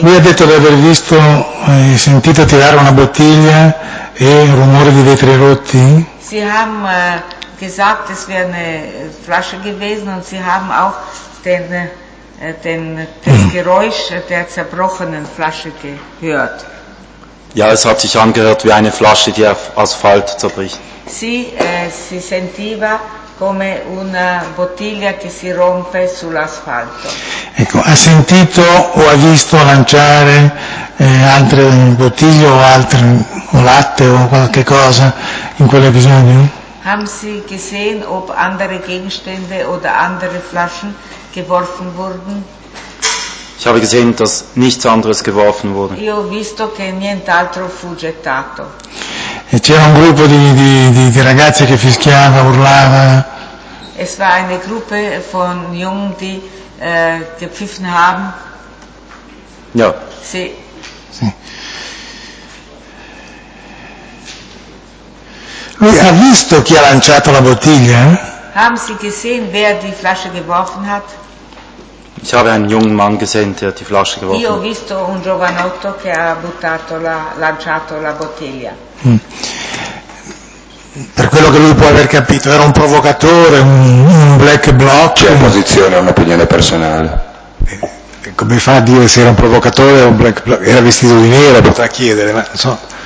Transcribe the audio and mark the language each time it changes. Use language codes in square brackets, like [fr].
[it] Lui ha detto di aver visto e sentito tirare una bottiglia e un rumore di vetri rotti. [de] Sie haben gesagt, es wäre eine Flasche gewesen und sie haben auch das Geräusch der zerbrochenen Flasche gehört. Ja, es hat sich angehört wie eine Flasche, die auf Asphalt zerbricht. [it] Si sentiva come una bottiglia che si rompe sull'asfalto. Ecco, ha sentito o ha visto lanciare altre bottiglie o altre o latte o qualche cosa in quell'episodio? [de] Haben Sie gesehen, ob andere Gegenstände oder andere Flaschen geworfen wurden? Ich habe gesehen, dass nichts anderes geworfen wurde. [it] Io ho visto che nient'altro fu gettato. E c'era un gruppo di ragazze che fischiava, urlava. [de] Es war eine Gruppe von Jungen, die gepfiffen haben. Ja. [it] Sì. Sì. Lui ha visto chi ha lanciato la bottiglia? [de] Haben Sie gesehen, wer die Flasche geworfen hat? Ich habe einen jungen Mann gesehen, der die Flasche geworfen hat. [it] Io ho visto un giovanotto che ha buttato lanciato la bottiglia. Per quello che lui può aver capito, era un provocatore, un black bloc. C'è posizione, è un'opinione personale. Come fa a dire se era un provocatore o un black bloc? Era vestito di nero, potrà chiedere, ma non so.